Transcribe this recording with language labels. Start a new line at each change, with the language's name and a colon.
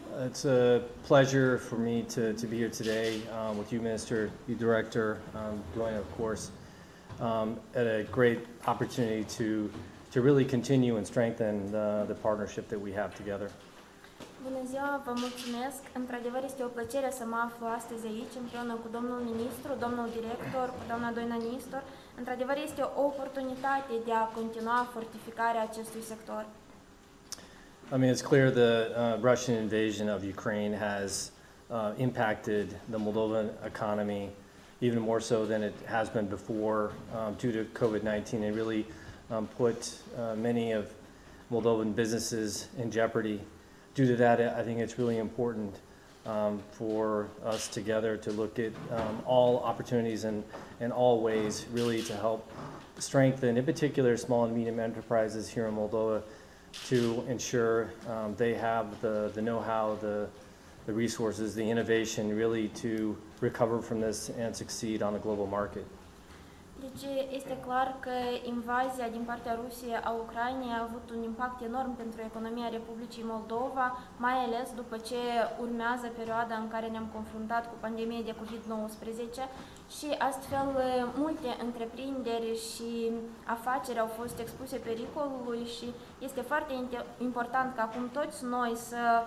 English: It's a pleasure for me to be here today with you, Minister, you Director, joining, of course, at a great opportunity to really continue and strengthen the partnership that we have together.
Romanian: Bună ziua, vă mulțumesc. Într-adevăr, este o plăcere să mă aflu astăzi aici împreună cu domnul ministru, domnul director, cu doamna Doina Nistor. Într-adevăr, este o oportunitate de a continua fortificarea acestui sector.
English: I mean, it's clear the Russian invasion of Ukraine has impacted the Moldovan economy even more so than it has been before due to COVID-19. It really put many of Moldovan businesses in jeopardy. Due to that, I think it's really important for us together to look at all opportunities and all ways really to help strengthen, in particular, small and medium enterprises here in Moldova to ensure they have the know-how, the resources, the innovation really to recover from this and succeed on the global market.
Romanian: Deci este clar că invazia din partea Rusiei a Ucrainei a avut un impact enorm pentru economia Republicii Moldova, mai ales după ce urmează perioada în care ne-am confruntat cu pandemia de COVID-19 și astfel multe întreprinderi și afaceri au fost expuse pericolului și este foarte important ca acum toți noi să